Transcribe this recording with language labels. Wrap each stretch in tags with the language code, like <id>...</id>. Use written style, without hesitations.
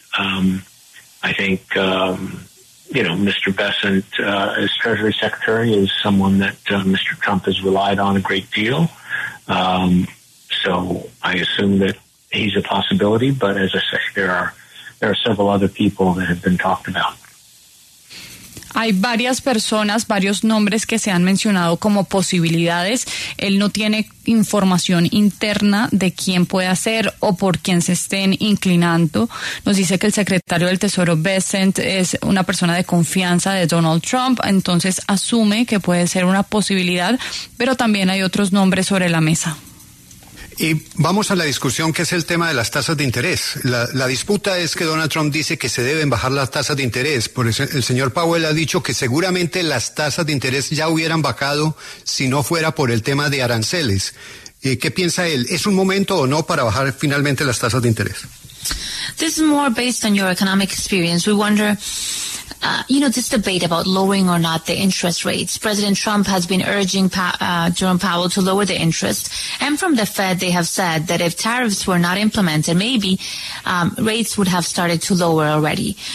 <en>I think, Mr. Bessent, as Treasury Secretary, is someone that Mr. Trump has relied on a great deal. So I assume that he's a possibility, but as I say, there are several other people that have been talked about.</en> <es>Hay varias personas, varios nombres que se han mencionado como posibilidades. Él no tiene información interna de quién puede hacer o por quién se estén inclinando. Nos dice que el secretario del Tesoro, Bessent, es una persona de confianza de Donald Trump, entonces asume que puede ser una posibilidad, pero también hay otros nombres sobre la mesa. Y vamos a la discusión que es el tema de las tasas de interés. La disputa es que Donald Trump dice que se deben bajar las tasas de interés. Por eso el señor Powell ha dicho que seguramente las tasas de interés ya hubieran bajado si no fuera por el tema de aranceles. ¿Qué piensa él? ¿Es un momento o no para bajar finalmente las tasas de interés?</es> <en>This is more based on your economic experience. We wonder, this debate about lowering or not the interest rates. President Trump has been urging Jerome Powell to lower the interest. And from the Fed, they have said that if tariffs were not implemented, maybe rates would have started to lower already.</en>